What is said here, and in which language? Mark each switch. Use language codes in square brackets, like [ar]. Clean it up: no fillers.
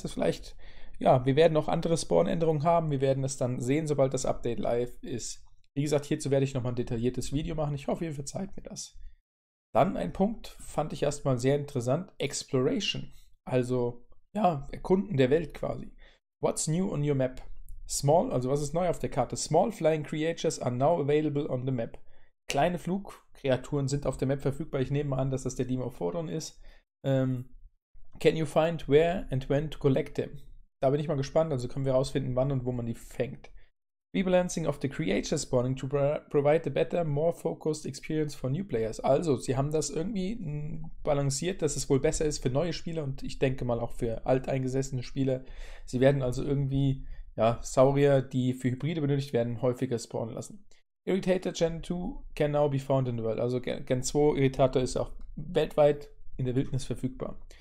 [de] Das vielleicht, ja, wir werden auch andere Spawn-Änderungen haben. Wir werden es dann sehen, sobald das Update live ist. Wie gesagt, hierzu werde ich nochmal ein detailliertes Video machen. Ich hoffe, ihr verzeiht mir das. Dann ein Punkt, fand ich erstmal sehr interessant. Exploration. Also, ja, Erkunden der Welt quasi. [en] What's new on your map? [de] Small, also was ist neu auf der Karte? [en] Small flying creatures are now available on the map. [de] Kleine Flugkreaturen sind auf der Map verfügbar. Ich nehme mal an, dass das der Dimorphodon ist. [en] Can you find where and when to collect them? [de] Da bin ich mal gespannt. Also können wir herausfinden, wann und wo man die fängt. [en] Rebalancing of the Creature Spawning to provide a better, more focused experience for new players. [de] Also, sie haben das irgendwie balanciert, dass es wohl besser ist für neue Spieler und ich denke mal auch für alteingesessene Spieler. Sie werden also irgendwie, ja, Saurier, die für Hybride benötigt werden, häufiger spawnen lassen. [en] Irritator Gen 2 can now be found in the world. [de] Also Gen 2 Irritator ist auch weltweit in der Wildnis verfügbar.